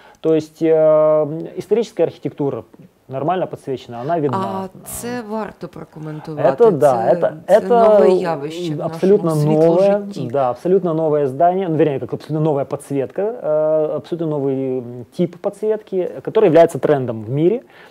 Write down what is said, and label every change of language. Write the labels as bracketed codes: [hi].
[ru] То есть историческая архітектура нормально подсвечена, она видна. [uk] А це варто прокоментувати. [ru] Это да, [uk] це нове явище. [ru] Абсолютно нове, абсолютно нове здание, абсолютно нова подсветка, абсолютно новий тип подсветки, который является трендом в мире.